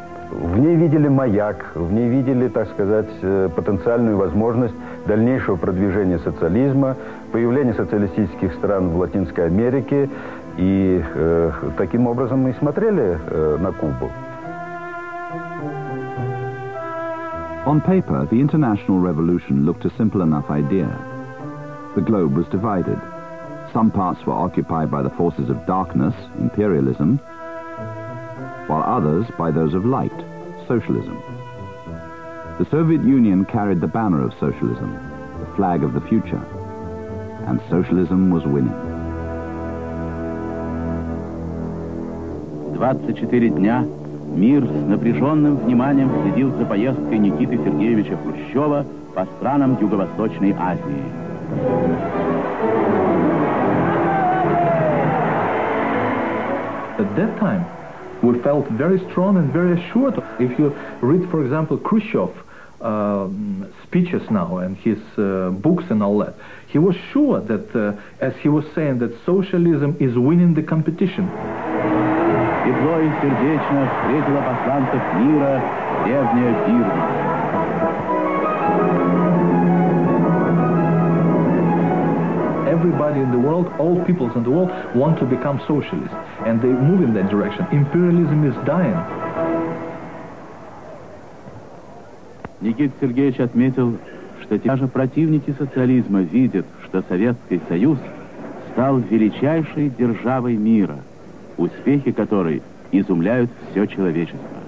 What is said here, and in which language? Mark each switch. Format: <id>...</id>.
<ru>В ней видели маяк, в ней видели, так сказать, потенциальную возможность дальнейшего продвижения социализма, появления социалистических стран в Латинской Америке. И таким образом мы смотрели на Кубу.</ru> <en>On paper, the international revolution looked a simple enough idea. The globe was divided. Some parts were occupied by the forces of darkness, imperialism, while others by those of light, socialism. The Soviet Union carried the banner of socialism, the flag of the future, and socialism was winning.</en> <ru>24 дня мир с напряженным вниманием следил за поездкой Никиты Сергеевича Хрущева по странам Юго-Восточной Азии.</ru> <en>At that time, we felt very strong and very assured. If you read, for example, Khrushchev's speeches now and his books and all that, he was sure that, as he was saying, that socialism is winning the competition.</en> <ru>Тепло и сердечно встретила посланцев мира древняя Бирма.</ru> <en>Everybody in the world, all peoples in the world, want to become socialists, and they move in that direction. Imperialism is dying.</en> <ru>Никита Сергеевич отметил, что даже противники социализма видят, что Советский Союз стал величайшей державой мира, успехи которой изумляют все человечество.</ru>